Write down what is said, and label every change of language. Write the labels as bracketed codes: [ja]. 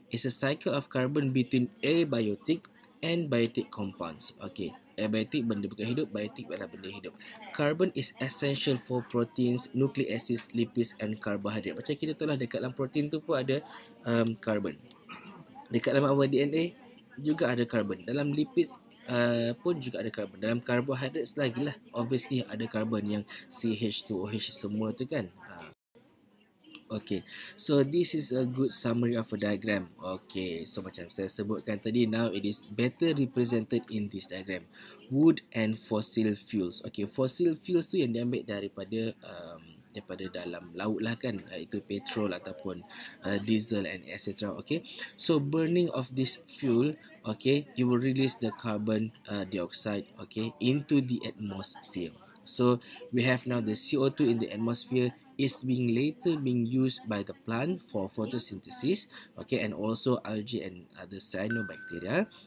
[en] It's a cycle of carbon between abiotic and biotic compounds. [ms] Okay, abiotic benda bukan hidup, biotic adalah benda hidup. [en] Carbon is essential for proteins, nucleic acids, lipids and carbohydrate. [ms] Macam kita tahu lah, dekat dalam protein tu pun ada carbon. Dekat dalam our DNA juga ada carbon. Dalam lipids pun juga ada karbon. Dalam carbohydrates lagi lah, obviously ada karbon yang CH2OH semua tu kan. [en] Okay, so this is a good summary of a diagram. Okay, so [ms] macam saya sebutkan tadi, [en] now it is better represented in this diagram. Wood and fossil fuels. [ms] Okay, fossil fuels tu yang diambil daripada daripada dalam laut lah kan, itu petrol ataupun diesel and etc. [en] Okay, so burning of this fuel, okay, you will release the carbon dioxide, okay, into the atmosphere. So we have now the CO2 in the atmosphere is being later being used by the plant for photosynthesis, okay, and also algae and other cyanobacteria.